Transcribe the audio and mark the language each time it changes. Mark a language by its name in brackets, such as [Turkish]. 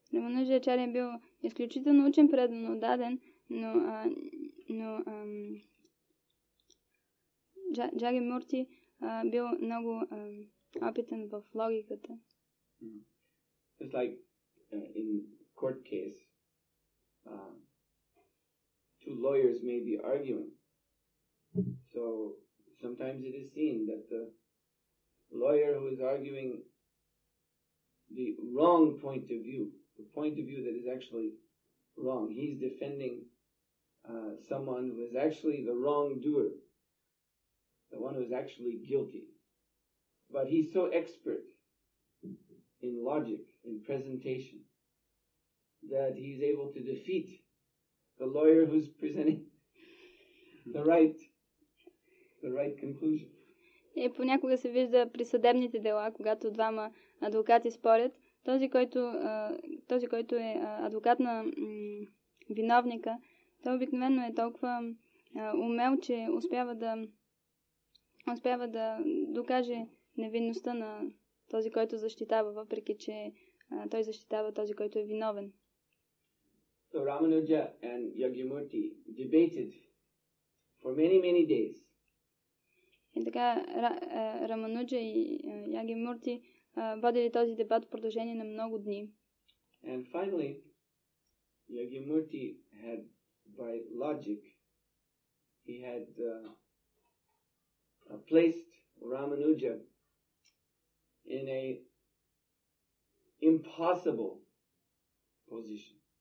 [Bulgarian] Ramanujacharya бил изключително учен, предан, отдаден, но Jagyamurti бил много опитен в логиката. [English] It's like in court case, two lawyers may be arguing. So sometimes it is seen that the lawyer who is arguing the wrong point of view, the point of view that is actually wrong, he's defending someone who is actually the wrongdoer, the one who is actually guilty. But he's so expert in logic, in presentation, that he is able to defeat the lawyer who's presenting the right conclusion. [Bulgarian] Е, понякога се вижда при съдебните дела, когато двама адвокати спорят, този, който е адвокат на виновника, той обикновено е толкова умел, че успява да докаже невинността на този, който защитава, въпреки че той защитава този, който е виновен. [English] So Рамануджа and Yagyamurti debated for many, many days. [Bulgarian] И така Рамануджа и Ягимурти водили този дебат в продължение на много дни. [English] And finally, Ягимурти had, by logic, he had placed Рамануджа in a impossible position.